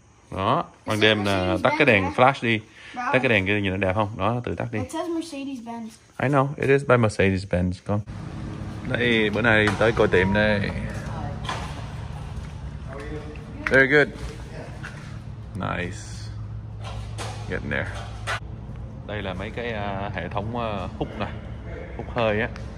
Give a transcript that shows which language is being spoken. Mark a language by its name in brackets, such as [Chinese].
[Vietnamese] Đó, ban đêm tắt cái đèn flash đi. Tắt cái đèn kia nhìn nó đẹp không? Đó, tự tắt đi. [English] It says Mercedes-Benz. I know, it is by Mercedes-Benz, con. [Vietnamese] Đây, bữa nay tới coi tiệm đây. [English] Very good. Nice. Getting there. [Vietnamese] Đây là mấy cái hệ thống hút nè. Hút hơi á.